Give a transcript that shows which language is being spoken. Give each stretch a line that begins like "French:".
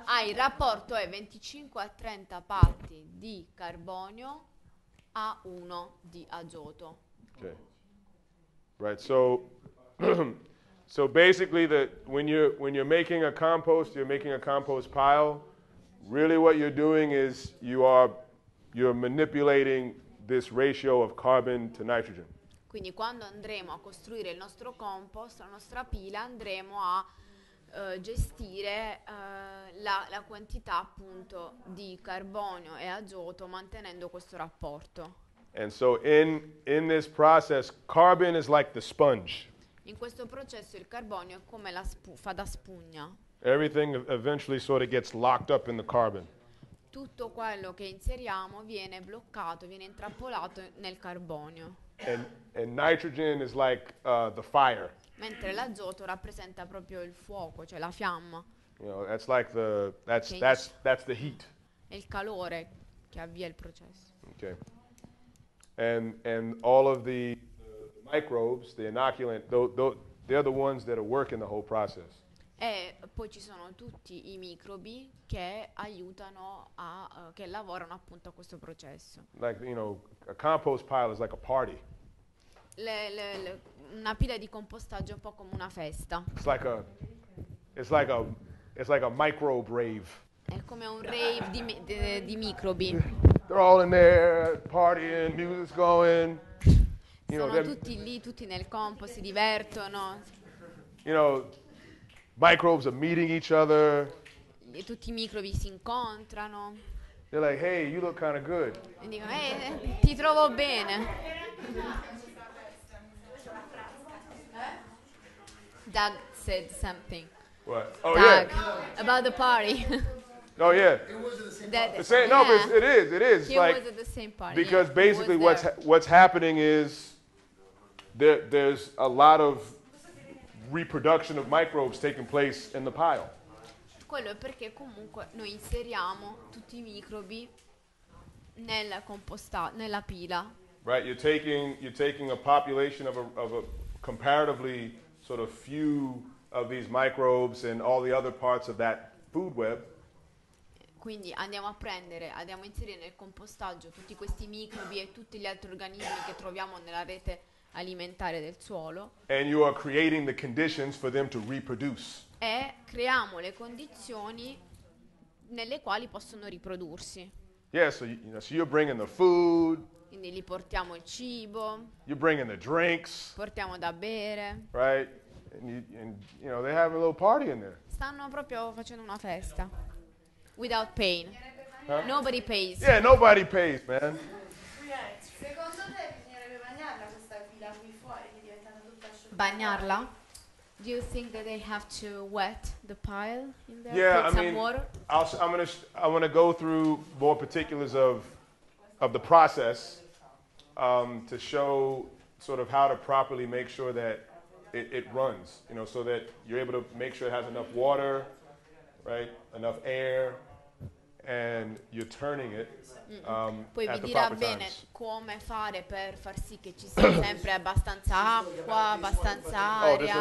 Italian: Il rapporto è 25 a 30 parti di carbonio a 1 di azoto.
English: Ok. Right, so... So basically when you're making a compost, you're making a compost pile, really what you're doing is you're manipulating this ratio of carbon to nitrogen.
Italian: Quindi quando andremo a costruire il nostro compost, la nostra pila, andremo a gestire la quantità, appunto, di carbonio e azoto mantenendo questo rapporto.
English: And so in this process, carbon is like the sponge.
Italian: In questo processo il carbonio è come fa da spugna.
English: Everything eventually sort of gets locked up in the carbon.
Italian: Tutto quello che inseriamo viene bloccato, viene intrappolato nel carbonio.
English: And nitrogen is like the fire.
Italian: Mentre l'azoto rappresenta proprio il fuoco, cioè la fiamma.
English: You know, that's like that's the heat.
Italian: È il calore che avvia il processo.
English: Okay. And all of the microbes, the inoculant, they're the ones that are working the whole process.
Italian: E poi ci sono tutti i microbi che aiutano che lavorano appunto a questo processo.
English: Like, you know, a compost pile is like a party.
Italian: Una pila di compostaggio è un po' come una festa.
English: It's like a microbe rave.
Italian: È come un rave di microbi.
English: they're all in there partying, music's going. You know,
Italian: sono tutti lì, tutti nel compo, si divertono.
English: You know, microbes are meeting each other.
Italian: E tutti i microbi si incontrano.
English: They're like, hey, you look kind of good.
Italian: E dico, ti trovo bene.
English: Doug said something. What? Oh, Doug, yeah. About the party. Oh, yeah. It was at the same party. No, but it is. He like, was at the same party. Because yeah, basically what's happening is there's a lot of reproduction of microbes taking place in the pile.
Italian: Quello è perché comunque noi inseriamo tutti i microbi nella composta, nella pila.
English: Right, you're taking a population of a comparatively sort of few of these microbes and all the other parts of that food web.
Italian: Quindi andiamo a inserire nel compostaggio tutti questi microbi e tutti gli altri organismi che troviamo nella rete alimentare del suolo.
English: And you are creating the conditions for them to reproduce.
Italian: E creiamo le condizioni nelle quali possono riprodursi.
English: Yeah, so you're bringing the food.
Italian: Quindi li portiamo il cibo.
English: You're bringing the drinks.
Italian: Portiamo da bere.
English: Right? And they have a little party in there.
Italian: Stanno proprio facendo una festa.
English: Without pain. Huh? Nobody pays. Yeah, nobody pays, man.
Italian: Secondo te bisognerebbe bagnarla questa pila qui fuori che diventano tutta asciutta? Bagnarla?
English: Do you think that they have to wet the pile in there? Yeah, put some water? I'm gonna go through more particulars of the process to show sort of how to properly make sure that it runs, you know, so that you're able to make sure it has enough water, right, enough air, and you're turning it
Italian: Poi vi dirà bene come fare per far sì che ci sia sempre abbastanza acqua, abbastanza aria.